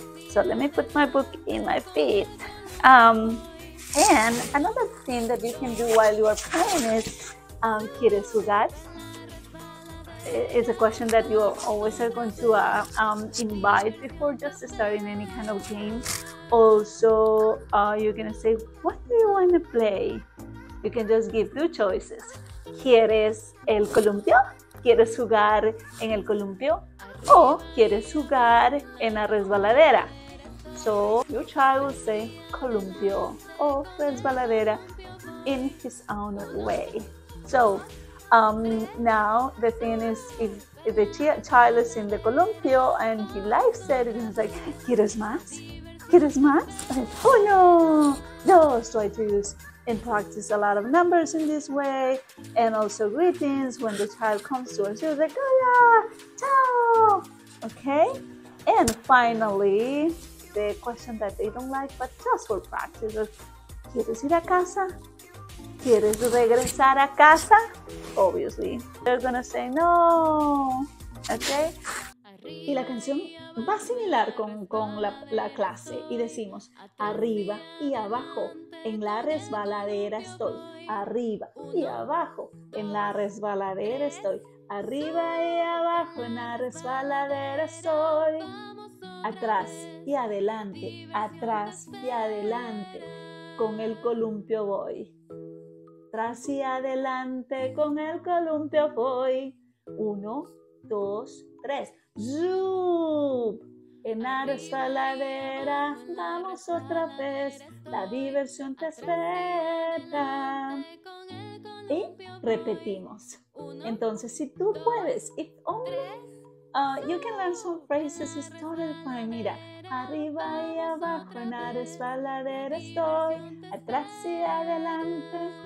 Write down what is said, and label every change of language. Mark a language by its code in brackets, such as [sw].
[en] So let me put my book in my feet. And another thing that you can do while you are playing is, [es] ¿quieres jugar? [en] It's a question that you always are going to invite before just starting any kind of game. Also, you're going to say, what do you want to play? You can just give two choices. [es] ¿Quieres el columpio? ¿Quieres jugar en el columpio? O ¿quieres jugar en la resbaladera? [en] So your child will say columpio or resbaladera in his own way. So now the thing is, if the child is in the columpio and he likes it, he's like, [es] ¿quieres más? ¿Quieres más? Uno, dos. [en] So I do this and practice a lot of numbers in this way, and also greetings when the child comes to us. He's like, [es] hola, chao. [en] Okay, and finally, the question that they don't like, but just for practice, is, [es] ¿quieres ir a casa? ¿Quieres regresar a casa? [en] Obviously, they're gonna say no, okay? [es] Y la canción va similar con la clase, y decimos, arriba y abajo, en la resbaladera estoy, arriba y abajo, en la resbaladera estoy, arriba y abajo, en la resbaladera estoy. Atrás y adelante, atrás y adelante, con el columpio voy. Atrás y adelante, con el columpio voy. Uno, dos, tres. ¡Zoop! En la resbaladera vamos otra vez. La diversión te espera. Y repetimos. Entonces, si tú puedes, [en] if only... you can learn some phrases, it's totally fine. [es] Mira, arriba y abajo en la resbaladera estoy, atrás y adelante.